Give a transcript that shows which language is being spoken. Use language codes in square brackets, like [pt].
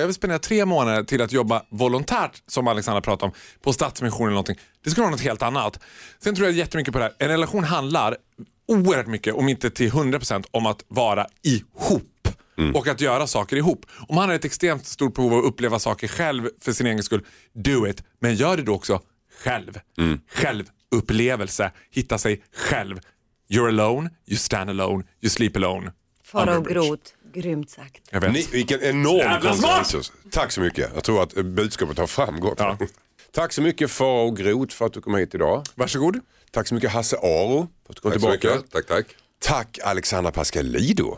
[sv] Jag vill spendera 3 månader till att jobba volontärt, som Alexandra pratade om, på Stadsmission eller någonting. Det skulle vara något helt annat. Sen tror jag jättemycket på det här. En relation handlar oerhört mycket, om inte till 100%, om att vara ihop. Mm. Och att göra saker ihop. Om han har ett extremt stort behov av att uppleva saker själv för sin egen skull, [en] do it. [sv] Men gör det då också själv. Mm. Självupplevelse. Hitta sig själv. [en] You're alone, you stand alone, you sleep alone. [sv] Fara och gråt, grymt sagt. Jag vet. Vilken enorm konsensus. Tack så mycket. Jag tror att budskapet har framgått. Ja. Tack så mycket Fara och gråt för att du kom hit idag. Varsågod. Tack så mycket Hasse Aro för att du kom tillbaka. Tack så mycket. Tack. Tack Alexandra Pascalido.